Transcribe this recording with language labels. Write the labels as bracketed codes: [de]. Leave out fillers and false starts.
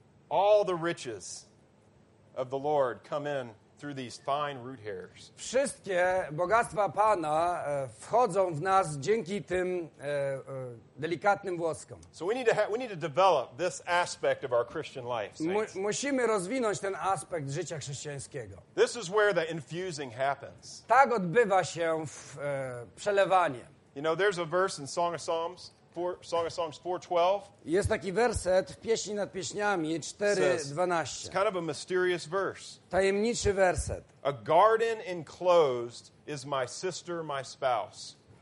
[en] All the riches of the Lord come in through these fine root hairs. [pl] Wszystkie bogactwa Pana wchodzą w nas dzięki tym delikatnym włoskom. [en] So we need to develop this aspect of our Christian life. [pl] Musimy rozwinąć ten aspekt życia chrześcijańskiego. [en] This is where the infusing happens. [pl] Tak odbywa się przelewanie. [en] You know, there's a verse in Song of Psalms. Song of Songs 4:12. [pl] Jest taki werset w Pieśni nad Pieśniami 4:12. [en] It's kind of a mysterious verse. [pl] Tajemniczy werset. [en] A garden enclosed is my sister, my spouse.